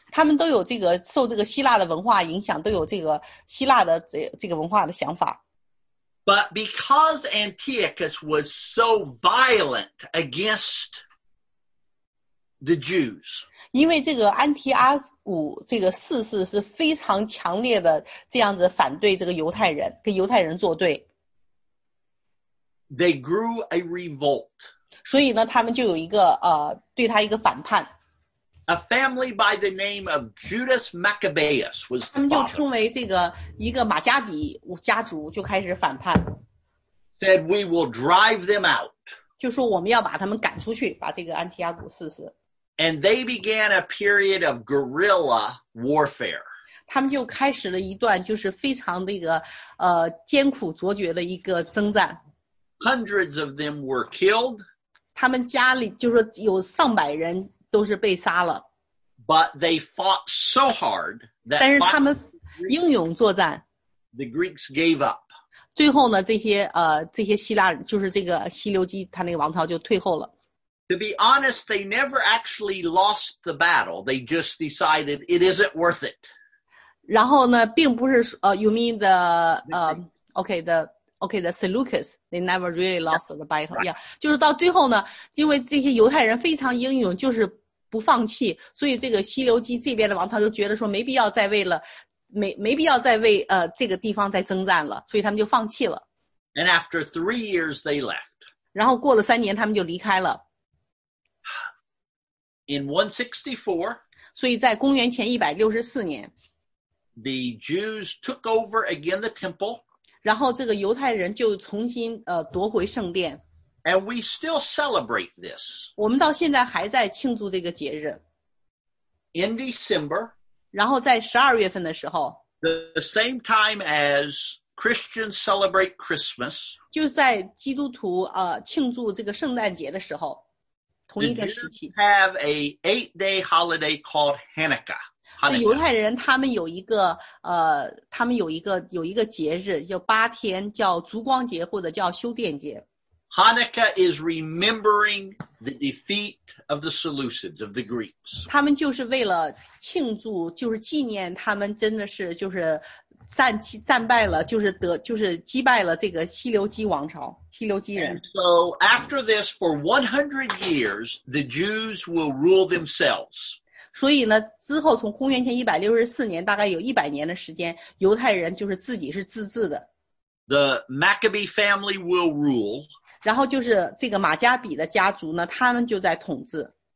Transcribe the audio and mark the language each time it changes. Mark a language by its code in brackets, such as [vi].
[zh] 他们都有这个，受这个希腊的文化影响，都有这个希腊的这个文化的想法。 [en] But because Antiochus was so violent against the Jews. [zh] 因为这个安提阿古这个四世是非常强烈的这样子反对这个犹太人跟犹太人作对。 [en] They grew a revolt. [zh] 所以呢他们就有一个对他一个反叛。 [en] A family by the name of Judas Maccabeus was the father. [zh] 他们就称为这个一个马加比家族就开始反叛。 [en] Said we will drive them out. [zh] 就说我们要把他们赶出去，把这个安提阿古四世。 [en] And they began a period of guerrilla warfare. [zh] 他们就开始了一段就是非常那个艰苦卓绝的一个征战。 [en] Hundreds of them were killed. [zh] 他们家里就说有上百人。都是被杀了。 [en] But they fought so hard that [zh] 但是他们英勇作战。 [en] The Greeks gave up. [zh] 最后呢这些希腊就是这个希留基他那个王朝就退后了。 [en] To be honest, they never actually lost the battle. They just decided it isn't worth it. [zh] 然后呢并不是 [en] you mean the, Okay, the Seleucus, they never really lost the battle. Yeah, yeah. [zh] 就是到最后呢，因为这些犹太人非常英勇，就是不放弃，所以这个希留基这边的王朝就觉得说没必要再为了，没必要再为这个地方再征战了，所以他们就放弃了。 [en] And after 3 years, they left. [zh] 然后过了三年，他们就离开了。 [en] In 164, [zh] 所以在公元前164年 [en] ，the Jews took over again the temple. [zh] 然后这个犹太人就重新夺回圣殿。 [en] And we still celebrate this. [zh] 我们到现在还在庆祝这个节日。 [en] In December. [zh] 然后在12月份的时候。 [en] The same time as Christians celebrate Christmas, [zh] 就在基督徒庆祝这个圣诞节的时候，同一个时期。 [en] They have an 8-day holiday called Hanukkah. [zh] 犹太人他们有一个他们有一个节日叫八天，叫烛光节或者叫修殿节。 [en] Hanukkah is remembering the defeat of the Seleucids, of the Greeks. [zh] 他们就是为了庆祝，就是纪念他们真的是就是战败了，就是击败了这个希流基王朝，希流基人。 [en] And so after this, for 100 years, the Jews will rule themselves. [zh] 所以呢，之后从公元前164年，大概有100年的时间，犹太人就是自己是自治的。 [en] The Maccabee family will rule. [zh] 然后就是这个马加比的家族呢，他们就在统治。